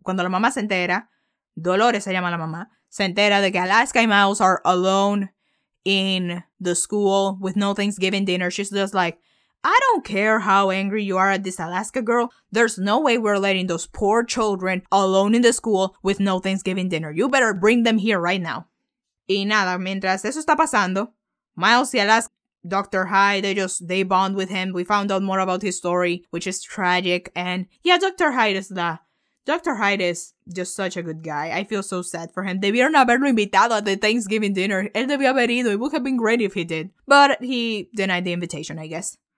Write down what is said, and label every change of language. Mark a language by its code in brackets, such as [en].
[es] Cuando la mamá se entera, Dolores se llama la mamá, se entera de que Alaska y Miles [en] are alone in the school with no Thanksgiving dinner. She's just like, I don't care how angry you are at this Alaska girl. There's no way we're letting those poor children alone in the school with no Thanksgiving dinner. You better bring them here right now. [es] Y nada, mientras eso está pasando, Miles y Alaska, Dr. [en] Hyde, they bond with him. We found out more about his story, which is tragic. And yeah, Dr. Hyde is just such a good guy. I feel so sad for him. [es] Debieron haberlo invitado [en] at the Thanksgiving dinner. [es] Él debió haber ido. [en] It would have been great if he did. But he denied the invitation, I guess.